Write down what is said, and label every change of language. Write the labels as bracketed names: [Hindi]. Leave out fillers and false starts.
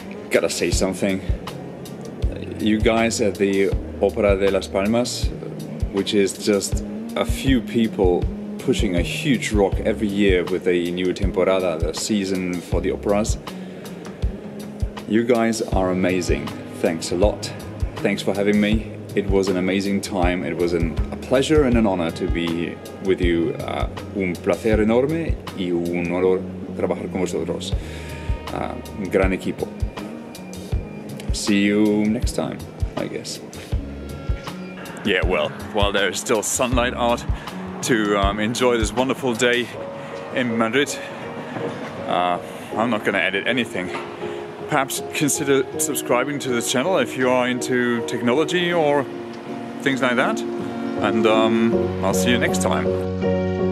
[English] Gotta say something. You guys at the Opera de las Palmas, which is just a few people pushing a huge rock every year with a new temporada, the season for the operas, you guys are amazing. Thanks a lot. Thanks for having me. It was an amazing time. It was a pleasure and an honor to be with you. [Spanish] Un placer enorme y un honor trabajar con vosotros. Gran equipo. [English] See you next time, I guess. Yeah, well, while there is still sunlight out, to enjoy this wonderful day in Madrid, I'm not gonna edit anything. Perhaps consider subscribing to the channel if you are into technology or things like that. And I'll see you next time.